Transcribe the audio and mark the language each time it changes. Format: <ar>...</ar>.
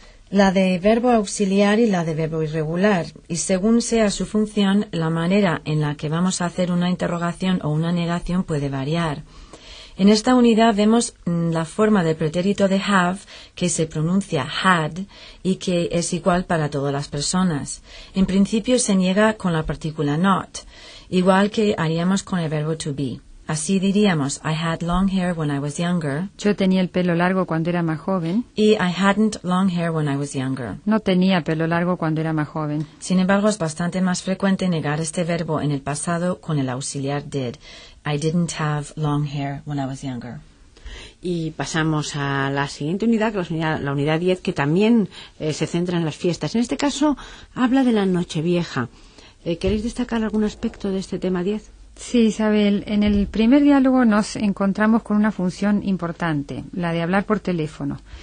<es>La de verbo auxiliar y la de verbo irregular. Y según sea su función, la manera en la que vamos a hacer una interrogación o una negación puede variar. En esta unidad vemos la forma del pretérito de have, que se pronuncia had, y que es igual para todas las personas. En principio se niega con la partícula not, igual que haríamos con el verbo to be. Así diríamos,</es> <en>I had long hair when I was younger.</en> <es>Yo tenía el pelo largo cuando era más joven.</es> <en>Y I hadn't long hair when I was younger.</en> <es>No tenía pelo largo cuando era más joven. Sin embargo, es bastante más frecuente negar este verbo en el pasado con el auxiliar did.</es> <en>I didn't have long hair when I was younger.</en> <es>Y pasamos a la siguiente unidad, que es la unidad 10, que también se centra en las fiestas. En este caso, habla de la Nochevieja. ¿Queréis destacar algún aspecto de este tema 10? Sí, Isabel, en el primer diálogo nos encontramos con una función importante, la de hablar por teléfono.</es>